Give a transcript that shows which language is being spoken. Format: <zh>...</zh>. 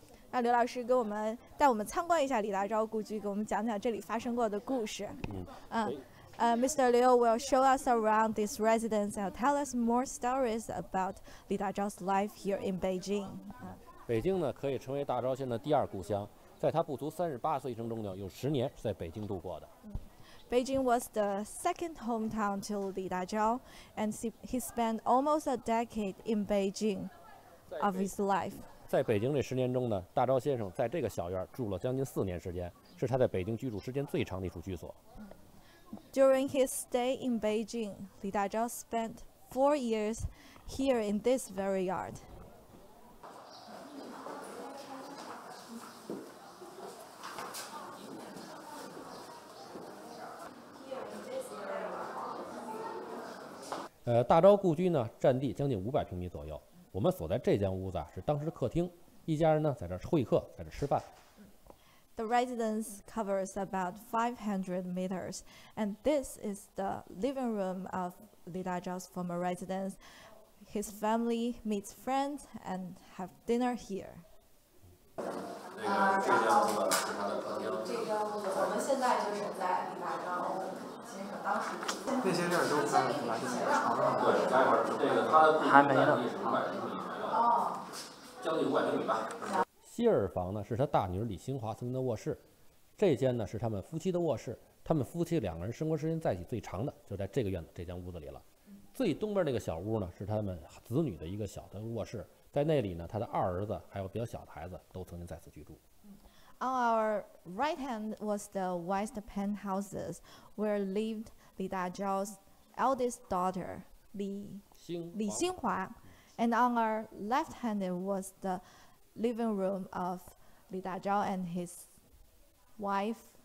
<zh>让刘老师给我们带我们参观一下李大钊故居，给我们讲讲这里发生过的故事。</zh> <en>Mr. Liu will show us around this residence and tell us more stories about 李大钊's life here in Beijing.</en> <zh>北京呢可以称为大钊先生的第二故乡，在他不足38岁一生中呢，有10年是在北京度过的。</zh> <en>Beijing was the second hometown to Li Dazhou, and he spent almost a decade in Beijing of his life.</en> <zh>在北京这十年中呢，大钊先生在这个小院住了将近4年时间，是他在北京居住时间最长的一处居所。</zh> <en>During his stay in Beijing, Li Dazhou spent 4 years here in this very yard.</en> <zh>大钊故居呢，占地将近500平米左右。我们所在这间屋子啊，是当时客厅，一家人呢在这会客，在这吃饭。</zh> <en>The residence covers about 500 meters, and this is the living room of Li Dazhou's former residence. His family meets friends and have dinner here.</en> <zh>这间屋子是他的客厅。这间屋子，我们现在就是在李大钊。那些地儿都是在哪里？对，待会儿这个他还没呢。哦，将近500平米吧。西耳房呢是他大女儿李新华曾经的卧室，这间呢是他们夫妻的卧室，他们夫妻两个人生活时间在一起最长的就在这个院子这间屋子里了。最东边那个小屋呢是他们子女的一个小的卧室，在那里呢他的二儿子还有比较小的孩子都曾经在此居住。</zh> <en>On our right hand was the west penthouses where lived Li Dazhou's eldest daughter, Li Xinhua. And on our left hand was the living room of Li Dazhou and his wife,</en>